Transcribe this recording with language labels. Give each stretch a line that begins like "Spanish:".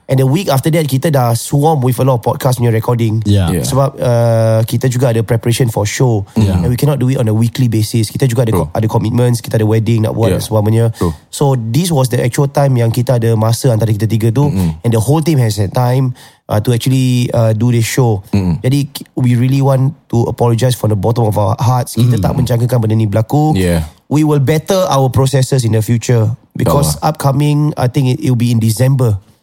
English: And the week after that,
Malay: kita dah
English: swarm with a lot of podcast
Malay: punya
English: recording.
Malay: Sebab kita juga ada
English: preparation for show. Yeah. And we cannot do it on a weekly basis.
Malay: Kita juga ada commitments, kita ada wedding nak buat semuanya.
English: So this was the actual time
Malay: yang kita ada masa antara kita tiga tu. Mm-hmm.
English: And the whole team has had time to actually do this show. Mm-hmm.
Malay: Jadi
English: we really want to apologize from the bottom of our hearts.
Malay: Kita tak menjangkakan benda ni berlaku.
English: Yeah. We will better our processes in the future. Because upcoming, I think it will be in December.